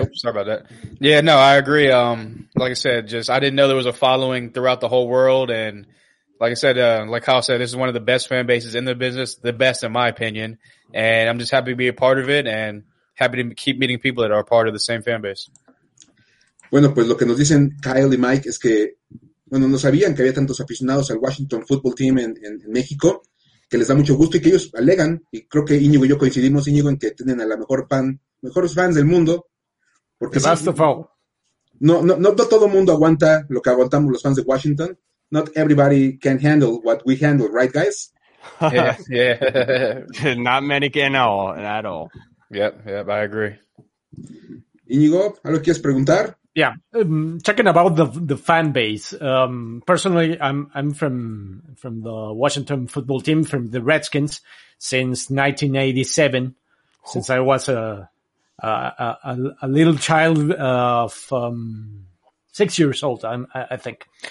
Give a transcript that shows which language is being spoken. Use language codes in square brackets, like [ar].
[en] Oh, sorry about that. Yeah, no, I agree. Like I said, just I didn't know there was a following throughout the whole world. And like I said, like Kyle said, this is one of the best fan bases in the business, the best in my opinion. And I'm just happy to be a part of it and happy to keep meeting people that are part of the same fan base. [es] Bueno, pues lo que nos dicen Kyle y Mike es que, bueno, no sabían que había tantos aficionados al Washington Football Team en México, que les da mucho gusto y que ellos alegan. Y creo que Íñigo y yo coincidimos, Íñigo, en que tienen a la mejor fan. Mejores fans del mundo, [en] porque last of all. [es] No todo el mundo aguanta lo que aguantamos los fans de Washington. [en] Not everybody can handle what we handle, right, guys? Yeah. Not many can at all. Yep, I agree. [es] Íñigo, ¿algo quieres preguntar? [en] Yeah, talking about the fan base. Personally, I'm from the Washington football team, from the Redskins, since 1987, since I was a little child of 6 years old, I think.